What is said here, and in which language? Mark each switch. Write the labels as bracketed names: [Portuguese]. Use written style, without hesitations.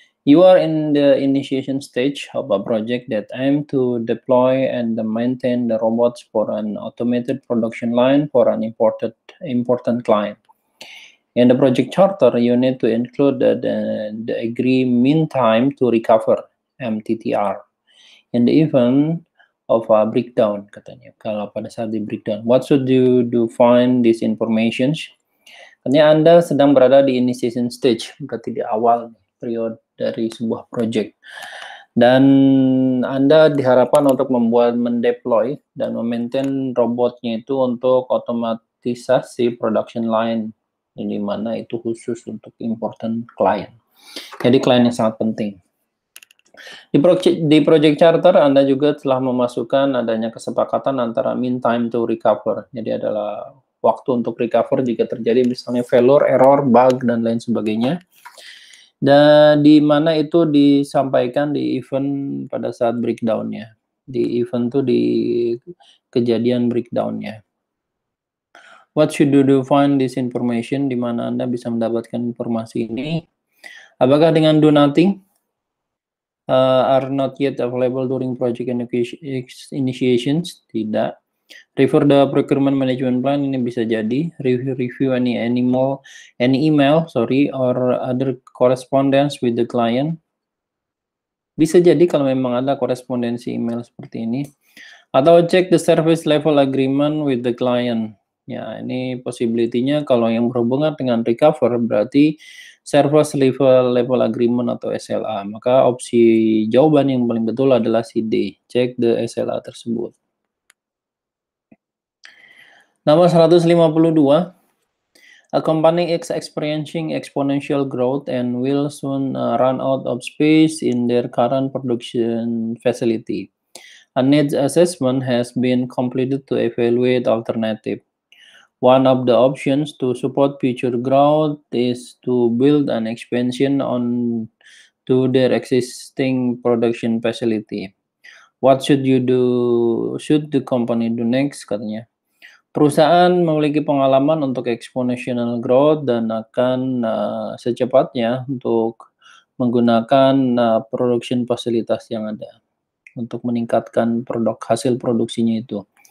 [English] You are in the initiation stage of a project that aim to deploy and maintain the robots for an automated production line for an important client. In the project charter, you need to include the agreed mean time to recover, MTTR, in the event of a breakdown, [Indonesian] katanya. Kalau pada saat di [English] breakdown, what should you do find this information? [Indonesian] Katanya Anda sedang berada di initiation stage, berarti di awal periode dari sebuah project. Dan Anda diharapkan untuk membuat, mendeploy, dan memaintain robotnya itu untuk otomatisasi production line. Di mana itu khusus untuk important client. Jadi klien yang sangat penting. Di project charter, Anda juga telah memasukkan adanya kesepakatan antara mean time to recover. Jadi adalah waktu untuk recover jika terjadi misalnya failure, error, bug, dan lain sebagainya. Dan di mana itu disampaikan di event pada saat breakdown-nya. Di event itu di kejadian breakdown-nya. [English] What should you do to find this information? [Indonesian] Di mana Anda bisa mendapatkan informasi ini? Apakah dengan [English] do nothing? Are not yet available during project initiations? [Indonesian] Tidak. [English] Refer the procurement management plan, [Indonesian] ini bisa jadi. [English] Review any email, or other correspondence with the client. [Indonesian] Bisa jadi kalau memang ada korespondensi email seperti ini. Atau [English] check the service level agreement with the client. [Indonesian] Ya, ini possibility-nya kalau yang berhubungan dengan recover berarti service level agreement atau SLA. Maka opsi jawaban yang paling betul adalah si D, [English] check the SLA [Indonesian] tersebut. Nomor 152, [English] a company is experiencing exponential growth and will soon run out of space in their current production facility. A needs assessment has been completed to evaluate alternative. One of the options to support future growth is to build an expansion on to their existing production facility. What should you do? Should the company do next? [Indonesian] Katanya, perusahaan memiliki pengalaman untuk exponential growth dan akan secepatnya untuk menggunakan production fasilitas yang ada untuk meningkatkan produk hasil produksinya itu.